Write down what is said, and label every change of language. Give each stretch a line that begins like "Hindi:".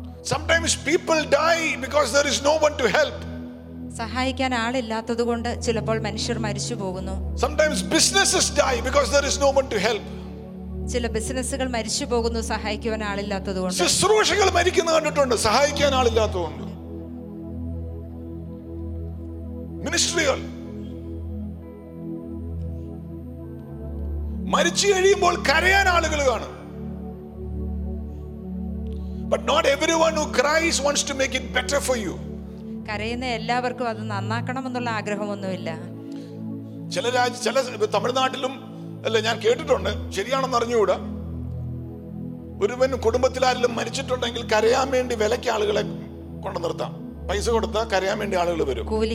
English: Sometimes people die because there is no one to help.
Malayalam: സഹായിക്കാൻ ആളില്ലാത്തത് കൊണ്ട് ചിലപ്പോൾ മനുഷ്യർ മരിച്ചു പോകുന്നു.
English: Sometimes businesses die because there is no one to help.
Malayalam: ചില ബിസിനസ്സുകൾ മരിച്ചു പോകുന്നു സഹായിക്കുവാൻ ആളില്ലാത്തത് കൊണ്ട്. ശുശ്രൂഷകൾ മരിക്കുന്നു കണ്ടിട്ടുണ്ട് സഹായിക്കാൻ ആളില്ലാത്തതുകൊണ്ട്. മിനിസ്ട്രികൾ മരിച്ചു കഴിയുമ്പോൾ കരയാൻ ആളുകൾ കാണും.
English: But not everyone who cries wants to make it better for you.
Malayalam: കരയുന്ന എല്ലാവർക്കും അത് നന്നാക്കണം എന്നുള്ള ആഗ്രഹമൊന്നുമില്ല. ചില ചില തമിഴ്നാട്ടിലും അല്ല ഞാൻ കേട്ടിട്ടുണ്ട്, ശരിയാണെന്ന് അറിഞ്ഞുകൂടാ, ഒരുവൻ കുടുംബത്തിലാരെങ്കിലും മരിച്ചിട്ടുണ്ടെങ്കിൽ കരയാൻ വേണ്ടി വിലക്ക് ആളുകളെ കൊണ്ടു നിർത്താം, പൈസ കൊടുത്താൽ കരയാൻ വേണ്ടി ആളുകൾ വരും.